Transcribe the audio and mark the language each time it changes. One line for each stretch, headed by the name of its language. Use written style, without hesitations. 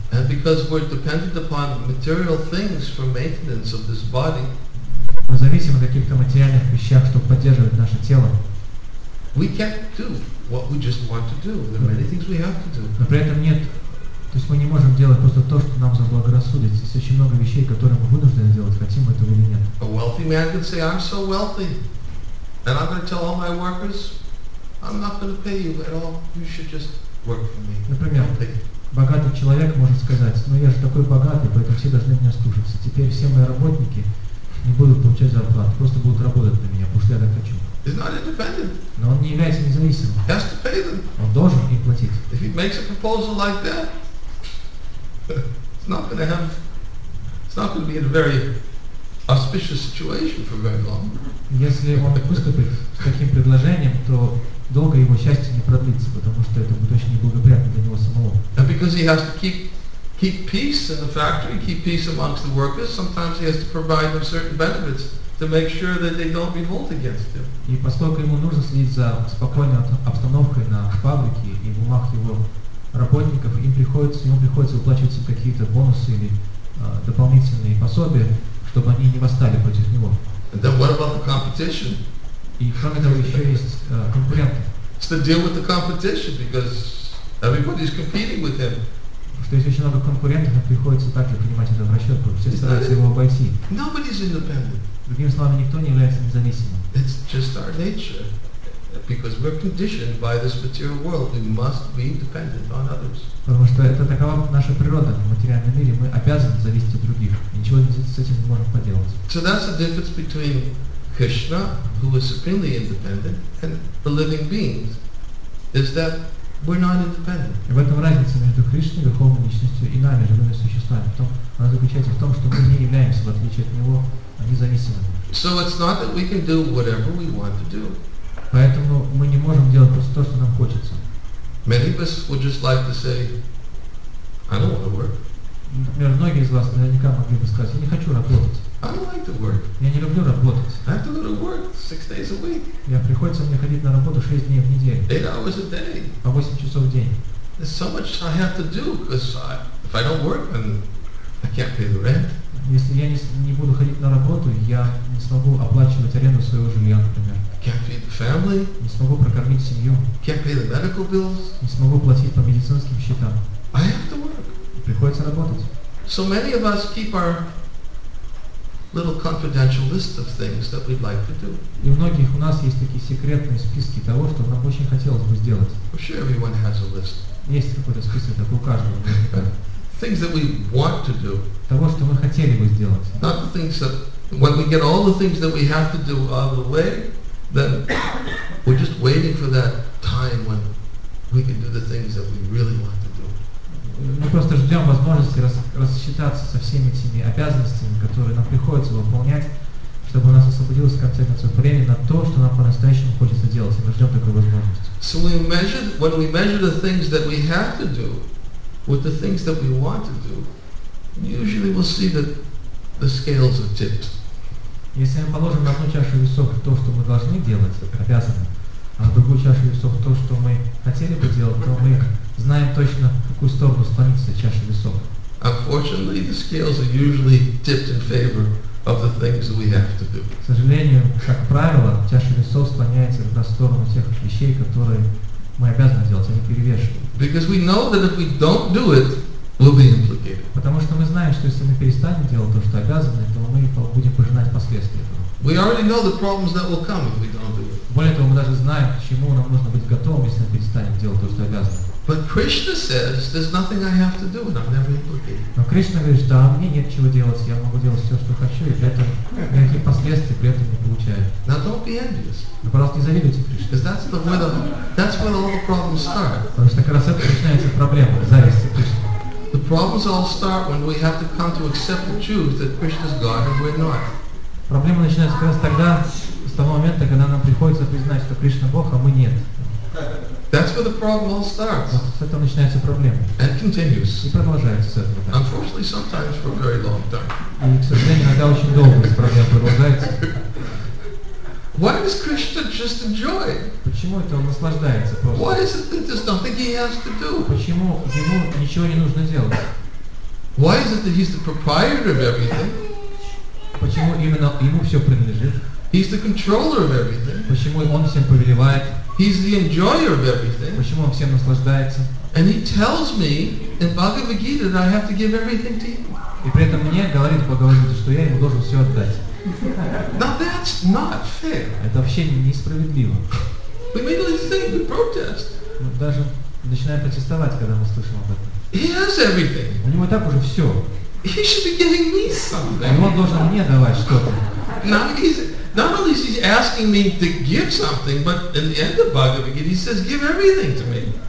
English: And because we're dependent upon material things for maintenance of this body,
Russian: мы зависим от каких-то материальных вещах, чтобы поддерживать наше тело.
English: We can't do what we just want to do. There are many things we have to do.
Russian: Но при этом нет. То есть мы не можем делать просто то, что нам заблагорассудится. Есть очень много вещей, которые мы вынуждены делать, хотим мы этого или нет.
English: A wealthy man can say, I'm so wealthy, and I'm going to tell all my workers, I'm not going to pay you at all. You should just work for me.
Russian: Например, богатый человек может сказать, ну я же такой богатый, поэтому все должны меня слушаться. Теперь все мои работники не будут получать зарплату, просто будут работать на меня, потому что я так хочу.
English: He's not independent.
Russian: Но он не является независимым.
English: He has to pay them.
Russian: Он должен им платить.
English: If he makes a proposal like that, it's not going to be in a very auspicious situation for very long.
Russian: Если он выступит с таким предложением, то долго его счастье не продлится, потому что это будет очень неблагоприятно для него самого.
English: And because he has to keep peace in the factory, keep peace amongst the workers, sometimes he has to provide them certain benefits to make sure that they don't revolt against him.
Russian: И поскольку ему нужно следить за спокойной обстановкой на фабрике и в умах его работников, ему приходится выплачивать им какие-то бонусы или дополнительные пособия, чтобы они не восстали против него.
English: And then what about the competition?
Russian: И кроме того, еще есть конкуренты.
English: It's to deal with the competition because everybody is competing with him.
Russian: Что есть очень много конкурентов, но приходится также принимать это в расчет, потому что все стараются его обойти.
English: Nobody's independent.
Russian: Другими словами, никто не является независимым.
English: It's just our nature. Because we're conditioned by this material world, we must be dependent on others.
Russian: Потому что это такова наша природа в материальном мире, мы обязаны зависеть от других, и ничего с этим не можем поделать.
English: So that's the difference between Krishna, who is supremely independent, and the living beings, is that we're not independent.
Russian: И в этом разница между Кришной, Верховной Личностью, и нами, живыми существами. Она заключается в том, что мы не являемся, в отличие от Него, независимыми.
English: So it's not that we can do whatever we want to do.
Russian: Поэтому мы не можем делать просто то, что нам хочется.
English: Many of us would just like to say, I don't want to work.
Russian: Например, многие из вас наверняка могли бы сказать, я не хочу работать.
English: I don't like to work.
Russian: Я не люблю работать.
English: I have to go to work 6 days a week.
Russian: Я приходится мне ходить на работу 6 дней в неделю.
English: 8 hours a day.
Russian: По 8 часов в день.
English: There's so much I have to do, because if I don't work, then I can't pay the rent.
Russian: Если я не буду ходить на работу, я не смогу оплачивать аренду своего жилья, например.
English: Can't feed the family.
Russian: Не смогу прокормить семью.
English: Can't pay the medical bills.
Russian: Не смогу платить по медицинским счетам.
English: I have to work.
Russian: Приходится работать.
English: So many of us keep our little confidential list of things that we'd like to do.
Russian: И у многих у нас есть такие секретные списки того, что нам очень хотелось бы сделать.
English: I'm sure everyone has a list.
Russian: Есть какой-то список, как у каждого.
English: Things that we want to do.
Russian: Того, что мы хотели бы сделать.
English: Not the things that, when we get all the things that we have to do out of the way, then we're just waiting for that time when we can do the things that we really want to do.
Russian: Мы просто ждем возможности рассчитаться со всеми этими обязанностями, которые нам приходится выполнять, чтобы у нас освободилось в конце концов время на то, что нам по-настоящему хочется делать. И мы ждем такой возможности.
English: So we measure, when we measure the things that we have to do, with the things that we want to do, usually we'll see that the scales are tipped.
Russian: Если мы положим на одну чашу весов то, что мы должны делать, обязаны, а на другую чашу весов то, что мы хотели бы делать, то мы знаем точно, в какую сторону склонится чаша весов.
English: Unfortunately, the scales are usually tipped in favor of the things that we have to do.
Russian: К сожалению, как правило, чаша весов склоняется в сторону тех вещей, которые мы обязаны делать, они перевешивают.
English: Because we know that if we don't do it, we'll be implicated.
Russian: Потому что мы знаем, что если мы перестанем делать то, что обязаны, то мы будем пожинать последствия этого.
English: We already know the problems that will come if we don't do it.
Russian: Более того, мы даже знаем, к чему нам нужно быть готовым, если мы перестанем делать то, что обязаны.
English: But Krishna says, there's nothing I have to do, and I'm never implicated.
Russian: Но Кришна говорит, да, мне нет чего делать, я могу делать все, что хочу, и при этом никаких последствий при этом не получаю.
English: Now don't be envious.
Russian: Но, пожалуйста, не завидуйте Кришне.
English: Because that's where all the problems start.
Russian: Потому что как раз это начинается проблема, зависть Кришны.
English: The problems all start when we have to come to accept the truth that Krishna is God and we're not.
Russian: Проблема начинается как раз тогда, с того момента, когда нам приходится признать, что Кришна Бог, а мы нет.
English: That's where the problem all starts.
Russian: Вот с этого начинается проблема.
English: And continues.
Russian: И продолжается с этого. Да.
English: Unfortunately, sometimes for a very long time.
Russian: И, к сожалению, иногда очень долго эта проблема продолжается.
English: Why does Krishna just enjoy?
Russian: Почему это он наслаждается просто?
English: Why is it that there's nothing he has to do?
Russian: Почему ему ничего не нужно делать?
English: Why is it that he's the proprietor of everything?
Russian: Почему именно ему все принадлежит?
English: He's the controller of everything.
Russian: Почему он всем повелевает?
English: He's the enjoyer of everything.
Russian: Почему он всем наслаждается?
English: And he tells me in Bhagavad Gita that I have to give everything to him.
Russian: И при этом мне говорит в Бхагавад Гите, что я ему должен все отдать.
English: Now that's not fair.
Russian: Это вообще несправедливо.
English: We immediately think, we protest.
Russian: Мы даже начинаем протестовать, когда мы слышим об этом.
English: He has everything.
Russian: У него так уже все.
English: He should be giving me something.
Russian: И он должен мне давать что-то.
English: Not only is he asking me to give something, but in the end of Bhagavad Gita, he says, give everything to me.